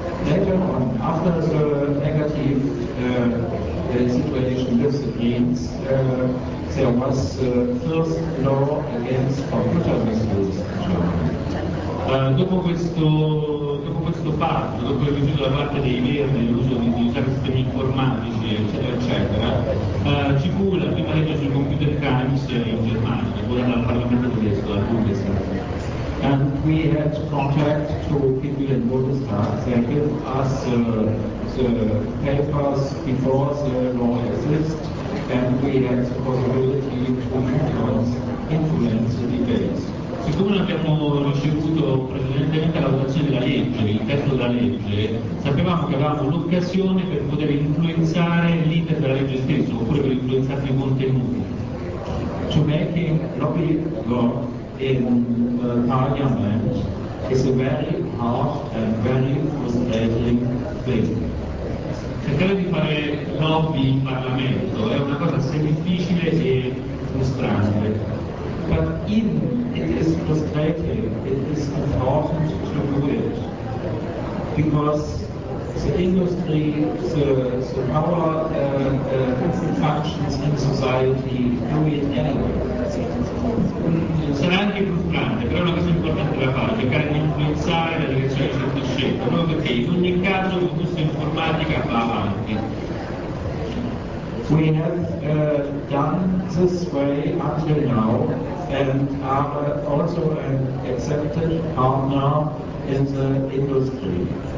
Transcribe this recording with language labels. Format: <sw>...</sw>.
<en>Later on, after the negative situation disappeared, there was the first law against computer misuse in Germany.</en> <it>Dopo questo fatto, dopo il rifiuto da parte dei verdi dell'uso di usare sistemi informatici, eccetera, eccetera, ci fu la prima legge sul computer crimes in Germania, quella dal Parlamento tedesco, dal Bundestag.</it> <en>And we had contact to people in Bundestag. They gave us the papers before the law exists, and we had the possibility to influence the debates.</en> <it>Siccome abbiamo ricevuto precedentemente la votazione della legge, il testo della legge, sapevamo che avevamo l'occasione per poter influenzare l'iter della legge stessa, oppure per influenzare i contenuti.</it> <en>To make lobby work in Parliament is a very hard and very frustrating thing.</en> <it>Cercare di fare lobby in Parlamento è una cosa sia difficile e frustrante.</it> <en>But it is frustrating, it is important to do it, because the industry, the power functions in society do it anyway.</en> <it>Sarà anche frustrante, però è una cosa importante da fare, cercare di influenzare la direzione di certe scelte, proprio perché in ogni caso l'industria informatica va avanti.</it> <en>We have done this way until now, and are also an accepted partner in the industry.</en>